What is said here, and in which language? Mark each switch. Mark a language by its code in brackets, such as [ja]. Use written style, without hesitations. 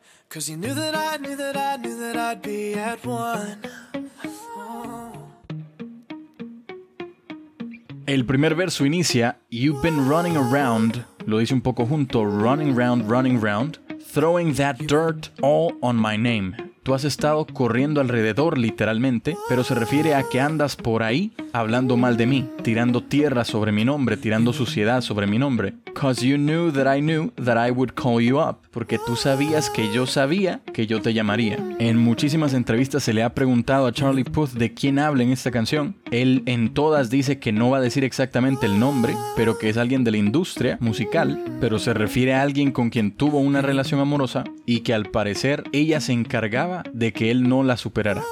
[en] Cause you knew that I'd be at one. [es] El primer verso inicia, [en] you've been running around, [es] lo dice un poco junto, [en] running round. Throwing that dirt all on my name. [es] Tú has estado corriendo alrededor, literalmente, pero se refiere a que andas por ahí hablando mal de mí, tirando tierra sobre mi nombre, tirando suciedad sobre mi nombre. [en] Cause you knew that I would call you up. [es] Porque tú sabías que yo te llamaría. En muchísimas entrevistas se le ha preguntado a Charlie Puth de quién habla en esta canción. Él en todas dice que no va a decir exactamente el nombre, pero que es alguien de la industria musical, pero se refiere a alguien con quien tuvo una relación amorosa y que al parecer ella se encargaba de que él no la superara.